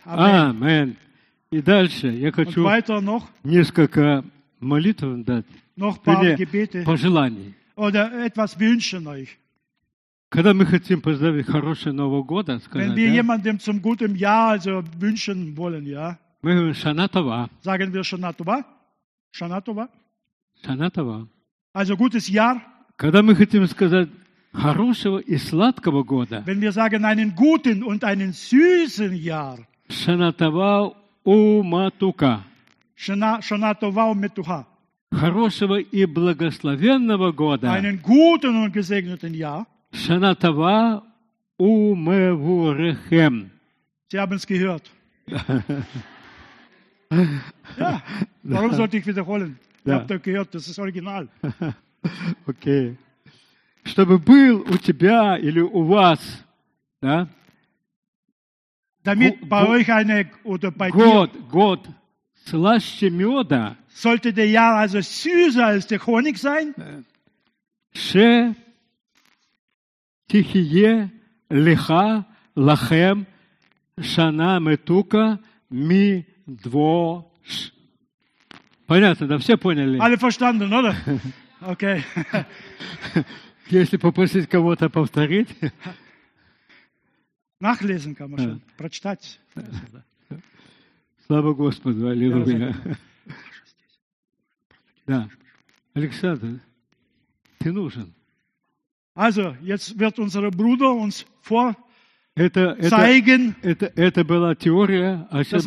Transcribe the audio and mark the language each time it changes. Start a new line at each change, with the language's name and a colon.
Russian: Amen. Amen. И дальше я хочу несколько молитв дать, пожеланий.
German: Oder etwas wünschen euch.
Russian: Когда мы хотим поздравить хорошего Нового года,
German: wenn wir jemandem zum guten Jahr also wünschen wollen, ja,
Russian: мы говорим Шана Това.
German: Sagen wir Шана Това.
Hebrew: Шана Това. Шана Това.
German: Also gutes Jahr.
Russian: Когда мы хотим сказать хорошего и сладкого года,
German: wenn wir sagen einen guten und einen süßen Jahr.
Hebrew: Шана Това. У матука. Шана Това у матуха.
Russian: Хорошего и благословенного года.
German: Einen guten und gesegneten Jahr.
Hebrew: Шана Това у мевурехем.
German: Sie haben es gehört. Ja, warum sollte ich wiederholen? Ihr habt doch gehört, das ist original. Okay.
Russian: Чтобы был у тебя или у вас, да?
German: Damit bei euch eine oder bei
Russian: Gott слаще мёда,
German: sollte der Jahr also süßer als der Honig sein,
Hebrew: ше тихие леха лахем шана метука ми двош.
Russian: Понятно, да? Все поняли?
German: Alle verstanden, oder? Okay.
Russian: Если попросить кого-то повторить.
German: Nachlesen kann man schon,
Russian: прочитать. Слава Господу, аллилуйя. Да, Александр, ты нужен.
German: Also, jetzt wird unser Bruder uns vorzeigen.
Russian: Это была теория, а сейчас